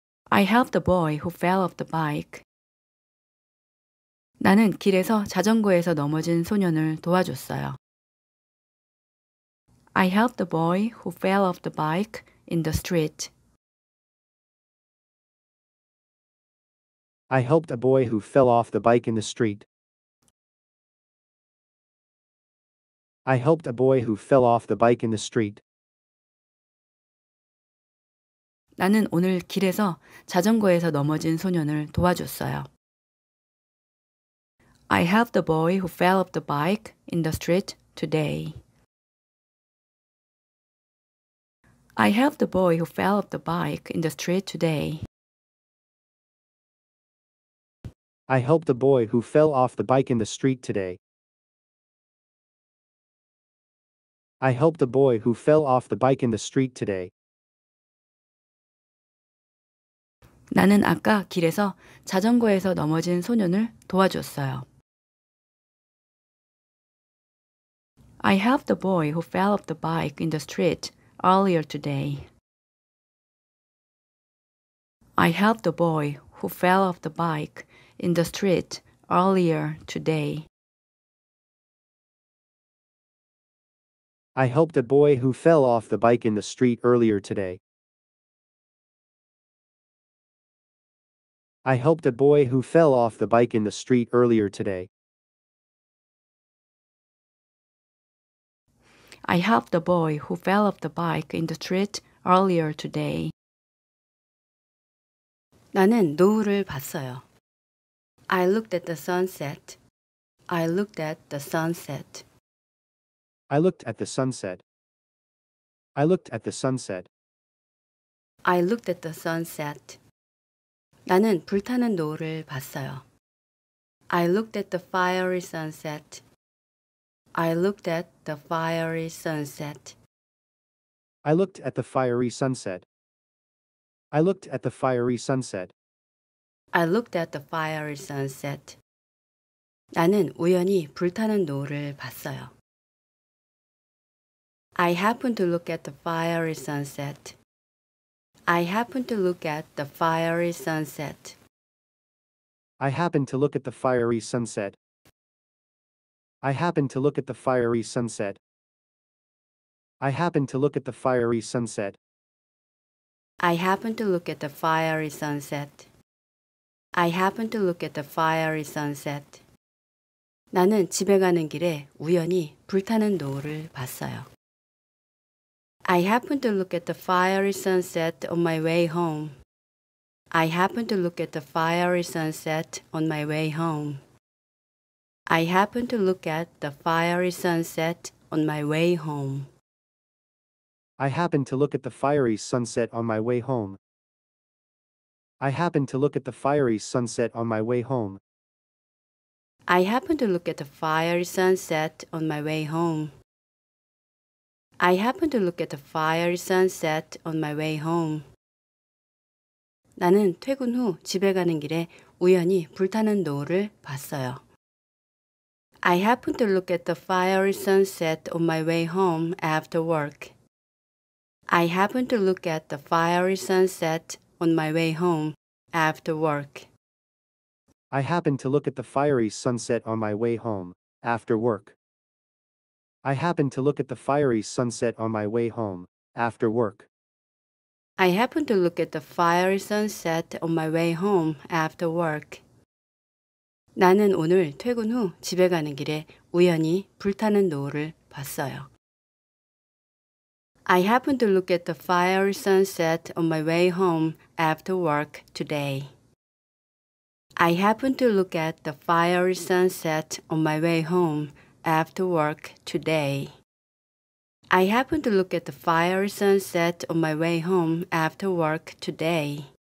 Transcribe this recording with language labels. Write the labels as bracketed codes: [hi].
[en] I helped the boy who fell off the bike. [ko] 나는 길에서 자전거에서 넘어진 소년을 도와줬어요. [en] I helped the boy who fell off the bike in the street. I helped a boy who fell off the bike in the street. I helped a boy who fell off the bike in the street. [ko] 나는 오늘 길에서 자전거에서 넘어진 소년을 도와줬어요. [en] I helped the boy who fell off the bike in the street today. I helped the boy who fell off the bike in the street today. I helped the boy who fell off the bike in the street today. I helped the boy who fell off the bike in the street today. [ko] 나는 아까 길에서 자전거에서 넘어진 소년을 도와줬어요. [en] I helped the boy who fell off the bike in the street earlier today. I helped the boy who fell off the bike in the street earlier today. I helped a boy who fell off the bike in the street earlier today. I helped a boy who fell off the bike in the street earlier today. I helped a boy who fell off the bike in the street earlier today. [ko] 나는 노을을 봤어요. [en] I looked at the sunset. I looked at the sunset. I looked at the sunset. I looked at the sunset. I looked at the sunset. [ko] 나는 불타는 노을을 봤어요. [en] I looked at the fiery sunset. I looked at the fiery sunset. I looked at the fiery sunset. I looked at the fiery sunset. I looked at the fiery sunset. [ko] 나는 우연히 불타는 노을을 봤어요. [en] I happened to look at the fiery sunset. I happened to look at the fiery sunset. I happened to look at the fiery sunset. I happened to look at the fiery sunset. I happened to look at the fiery sunset. I happened to look at the fiery sunset. I happened to look at the fiery sunset. [ko] 나는 집에 가는 길에 우연히 불타는 노을을 봤어요. [en] I happened to look at the fiery sunset on my way home. I happened to look at the fiery sunset on my way home. I happened to look at the fiery sunset on my way home. I happened to look at the fiery sunset on my way home. I happened to look at the fiery sunset on my way home. I happened to look at the fiery sunset on my way home. I happened to look at the fiery sunset on my way home. [ko] 나는 퇴근 후 집에 가는 길에 우연히 불타는 노을을 봤어요. [en] I happened to look at the fiery sunset on my way home after work. I happened to look at the fiery sunset on my way home after work. I happened to look at the fiery sunset on my way home after work. I happened to look at the fiery sunset on my way home after work. I happened to look at the fiery sunset on my way home after work. [ko] 나는 오늘 퇴근 후 집에 가는 길에 우연히 불타는 노을을 봤어요. [en] I happened to look at the fiery sunset on my way home after work today. I happened to look at the fiery sunset on my way home after work today. I happened to look at the fiery sunset on my way home after work today.